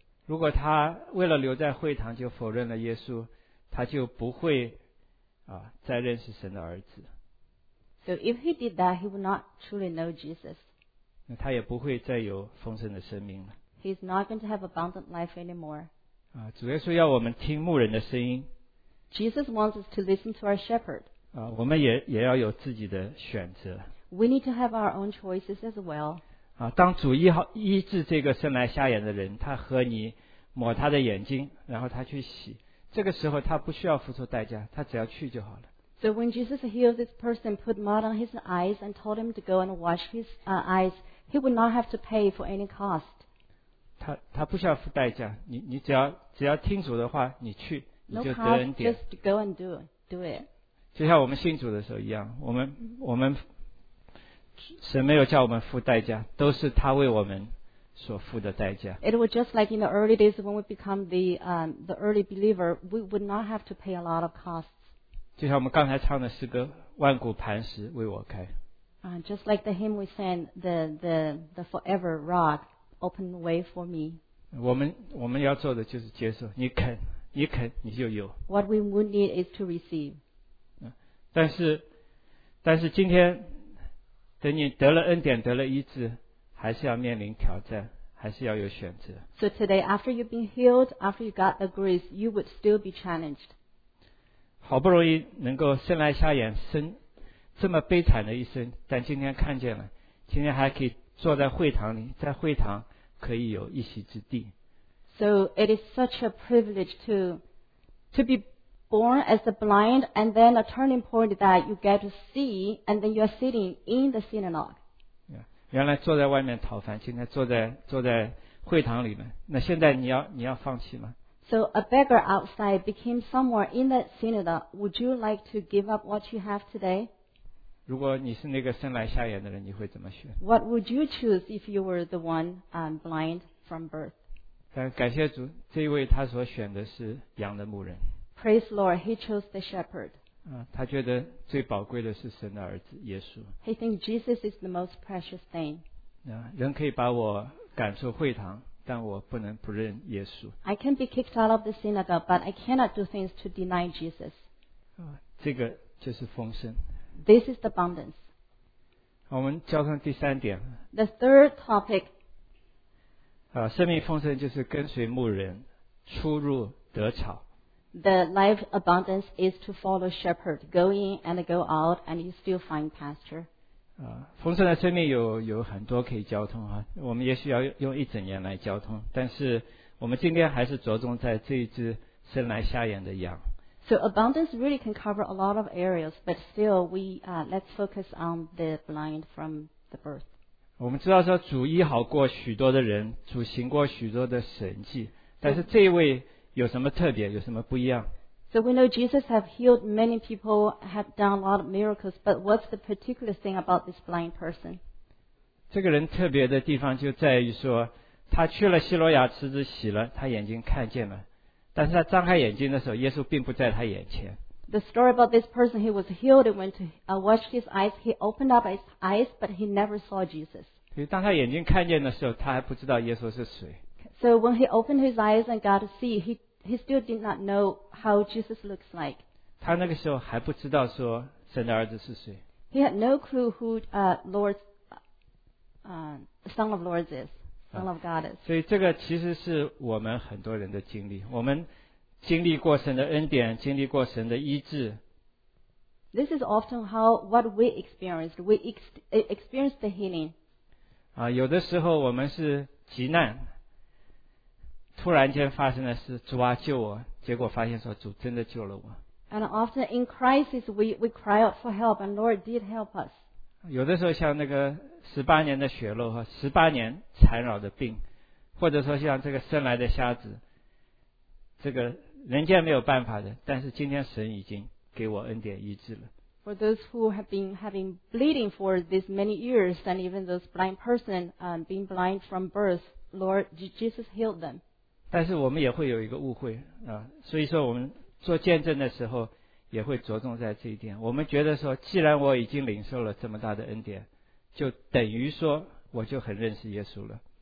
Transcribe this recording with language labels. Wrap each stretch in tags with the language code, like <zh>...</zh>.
<zh>如果他为了留在会堂就否认了耶稣，他就不会再认识神的儿子。</zh> <en>So if he did that, he would not truly know Jesus.</en> <zh>他也不会再有丰盛的生命了。</zh> <en>He's not going to have abundant life anymore.</en> <zh>主耶稣要我们听牧人的声音。</zh> <en>Jesus wants us to listen to our shepherd.</en> <zh>我们也要有自己的选择。</zh> <en>We need to have our own choices as well.</en> <zh>当主医治这个生来瞎眼的人，他和你抹他的眼睛，然后他去洗，这个时候他不需要付出代价，他只要去就好了。</zh> <en>So when Jesus healed this person, put mud on his eyes and told him to go and wash his eyes, he would not have to pay for any cost.</en> <zh>他不需要付代价，你只要听主的话，你去，你就得恩典。</zh> <en>No cost, just go and do it.</en> <zh>就像我们信主的时候一样，我们神没有叫我们付代价，都是他为我们所付的代价。</zh> <en>It was just like in the early days when we become the early believer, we would not have to pay a lot of cost.</en> <zh>就像我们刚才唱的诗歌万古磐石为我开。</zh> <en>Just like the hymn we sang, the forever rock opened way for me.</en> <zh>我们要做的就是接受，你肯你就有。</zh> <en>What we would need is to receive.</en> <zh>但是今天等你得了恩典得了医治还是要面临挑战还是要有选择</zh> <en>So today after you've been healed after you got the grace you would still be challenged</en> <zh>好不容易能够生来瞎眼生这么悲惨的一生但今天看见了今天还可以坐在会堂里在会堂可以有一席之地</zh> <en>So it is such a privilege to be born as a blind and then a turning point that you get to see and then you are sitting in the synagogue</en> <zh>原来坐在外面讨饭今天坐在会堂里面那现在你要放弃吗</zh> <en>So a beggar outside became somewhere in the synagogue Would you like to give up what you have today?</en> <zh>如果你是那个生来瞎眼的人你会怎么选</zh> <en>What would you choose if you were the one blind from birth?</en> <zh>但感谢主这一位他所选的是羊的牧人</zh> <en>Praise Lord, he chose the shepherd.</en> <zh>他觉得最宝贵的是神的儿子耶稣。</zh> <en>He thinks Jesus is the most precious thing.</en> <zh>人可以把我赶出会堂，但我不能不认耶稣。</zh> <en>I can be kicked out of the synagogue, but I cannot do things to deny Jesus.</en> <zh>这个就是丰盛。</zh> <en>This is the abundance.</en> <zh>我们交通第三点。</zh> <en>The third topic.</en> <zh>生命丰盛就是跟随牧人，出入得草。</zh> <en>The life abundance is to follow shepherd, go in and go out, and you still find pasture.</en> <zh>丰盛的生命有很多可以交通啊。我们也许要用一整年来交通，但是我们今天还是着重在这一只生来瞎眼的羊。</zh> <en>So abundance really can cover a lot of areas, but still we let's focus on the blind from the birth.</en> <zh>我们知道说主医好过许多的人，主行过许多的神迹，但是这一位。有什么特别有什么不一样</zh> <en>So we know Jesus have healed many people have done a lot of miracles but what's the particular thing about this blind person</en> <zh>这个人特别的地方就在于说他去了希罗亚池子洗了他眼睛看见了但是他张开眼睛的时候耶稣并不在他眼前</zh> <en>The story about this person he was healed and went to wash his eyes he opened up his eyes but he never saw Jesus</en> <zh>所以当他眼睛看见的时候他还不知道耶稣是谁</zh> <en>So when he opened his eyes and got to see, he still did not know how Jesus looks like.</en> <zh>他那个时候还不知道说神的儿子是谁。</zh> <en>He had no clue who Lord, Son of Lords is, Son of God is.</en> <zh>所以这个其实是我们很多人的经历。我们经历过神的恩典，经历过神的医治。</zh> <en>This is often how what we experienced. We experienced the healing.</en> <zh>有的时候我们是急难。突然间发生的是主啊救我结果发现说主真的救了我</zh> <en>and often in crisis we cry out for help and Lord did help us</en> <zh>有的时候像那个十八年的血漏和十八年缠绕的病或者说像这个生来的瞎子这个人间没有办法的但是今天神已经给我恩典医治了</zh> <en>for those who have been having bleeding for these many years and even those blind person being blind from birth Lord Jesus healed them</en> <zh>但是我们也会有一个误会啊，所以说我们做见证的时候也会着重在这一点我们觉得说既然我已经领受了这么大的恩典就等于说我就很认识耶稣了</zh>